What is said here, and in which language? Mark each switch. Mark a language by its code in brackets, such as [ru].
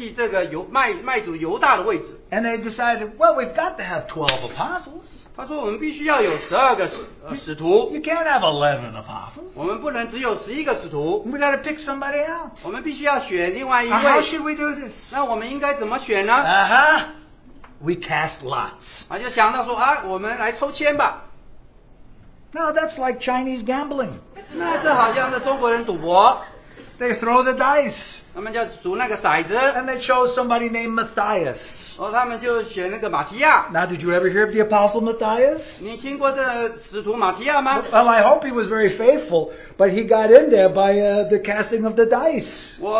[zh] 所以就在这五旬节的前一个星期的时候，这些门徒们还聚在一起，想要说如何抽签来代替这个犹卖主犹大的位置。 [en] And they decided, well, we've got to have 12 apostles. [zh] 他说我们必须要有12个使徒。 [en] You can't have 11 apostles. [zh] 我们不能只有11个使徒。 [en] We've got to pick somebody out. [zh] 我们必须要选另外一位。 [en] How should we do this? [zh] 那我们应该怎么选呢? [en] We cast lots. [zh] 他就想到说，我们来抽签吧。 [en] Now that's like Chinese gambling. [zh] 那这好像是中国人赌博。 [en] They throw the dice. [zh] 他们就数那个骰子。 [en] And they show somebody named Matthias. [zh] 哦，他们就选那个马提亚。 [en] Now, did you ever hear of the apostle Matthias? [zh] 你听过这使徒马提亚吗？ [en] Well, I hope he was very faithful, but he got in there by the casting of the dice.